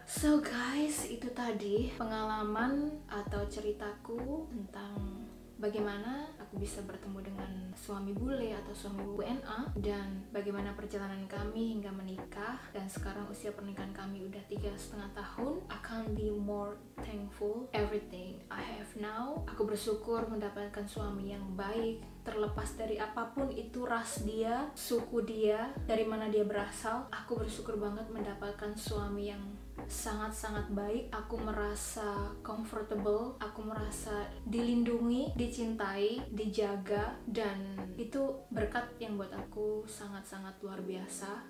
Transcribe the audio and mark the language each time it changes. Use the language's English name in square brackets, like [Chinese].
[Indonesian] So guys, itu tadi pengalaman atau ceritaku tentang bagaimana aku bisa bertemu dengan suami bule atau suami WNA, dan bagaimana perjalanan kami hingga menikah. Dan sekarang usia pernikahan kami udah 3.5 tahun. [English] I can't be more thankful everything I have now. [Indonesian] Aku bersyukur mendapatkan suami yang baik, terlepas dari apapun itu, ras dia, suku dia, dari mana dia berasal. Aku bersyukur banget mendapatkan suami yang sangat-sangat baik. Aku merasa comfortable, aku merasa dilindungi, dicintai, dijaga, dan itu berkat yang buat aku sangat-sangat luar biasa.